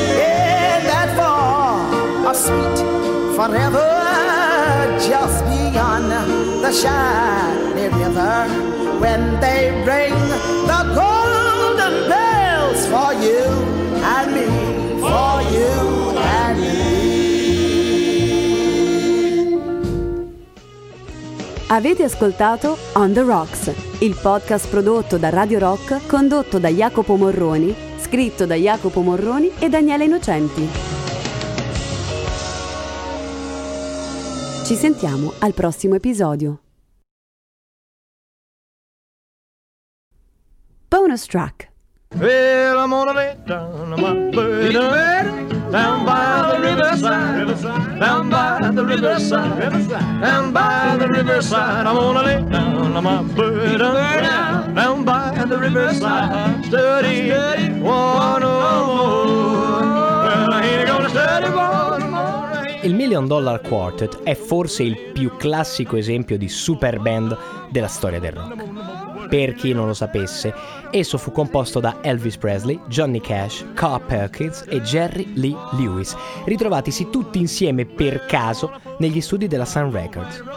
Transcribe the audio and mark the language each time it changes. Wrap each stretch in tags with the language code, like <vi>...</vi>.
<en>In that far of sweet forever, just beyond the the shining river when they ring the golden bells for you and me, for you and me.</en> <it>Avete ascoltato On the Rocks, il podcast prodotto da Radio Rock, condotto da Jacopo Morroni, scritto da Jacopo Morroni e Daniele Innocenti. Ci sentiamo al prossimo episodio.</it> <en>Bonus track. Well, I'm gonna lay down on my bed, down by the riverside, down by the riverside, down by the riverside. I'm gonna lay down on my bed, down by the riverside, study one more. Well, I ain't gonna study one more.</en> <it>Il Million Dollar Quartet è forse il più classico esempio di super band della storia del rock. Per chi non lo sapesse, esso fu composto da Elvis Presley, Johnny Cash, Carl Perkins e Jerry Lee Lewis, ritrovatisi tutti insieme per caso negli studi della Sun Records.</it>